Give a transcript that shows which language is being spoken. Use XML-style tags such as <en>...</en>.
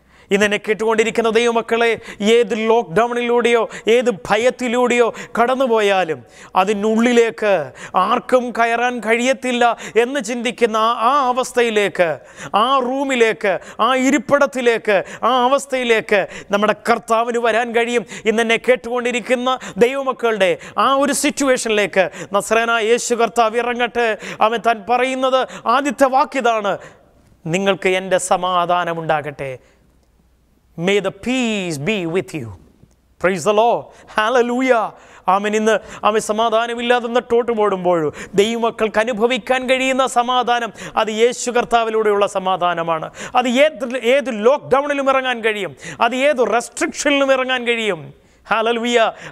<ml>ഇന്ന് എന്നെ കേട്ടുകൊണ്ടിരിക്കുന്ന ദൈവമക്കളെ, ഏത് ലോക്ക്ഡൗണിലൂടെയോ ഏത് ഭയത്തിലൂടെയോ കടന്നുപോയാലും അതിനുള്ളിലേക്ക് ആർക്കും കയറാൻ കഴിയത്തില്ല എന്ന് ചിന്തിക്കുന്ന ആ അവസ്ഥയിലേക്ക്, ആ റൂമിലേക്ക്, ആ ഇരിപ്പിടത്തിലേക്ക്, ആ അവസ്ഥയിലേക്ക് നമ്മുടെ കർത്താവിന് വരാൻ കഴിയും. ഇന്ന് എന്നെ കേട്ടുകൊണ്ടിരിക്കുന്ന ദൈവമക്കളുടെ ആ ഒരു സിറ്റുവേഷനിലേക്ക് നസറേനായ യേശു കർത്താവ് ഇറങ്ങട്ടെ. അവൻ താൻ പറയുന്നത് ആദ്യത്തെ വാക്യതാണ്, നിങ്ങൾക്ക് എൻ്റെ സമാധാനം ഉണ്ടാകട്ടെ.</ml> <en>May the peace be with you. Praise the Lord. Hallelujah. Amen.</en> <ml>ഇന്ന് അവൻ സമാധാനമില്ലാതെ നട്ടോട്ട് ഓടുമ്പോൾ ദൈവമക്കൾക്ക് അനുഭവിക്കാൻ കഴിയുന്ന സമാധാനം, അത് യേശു കർത്താവിലൂടെയുള്ള സമാധാനമാണ്. അത് ഏത് ലോക്ക്ഡൗണിലും ഇറങ്ങാൻ കഴിയും, അത് ഏത് റെസ്ട്രിക്ഷനിലും ഇറങ്ങാൻ കഴിയും. Hallelujah.</ml>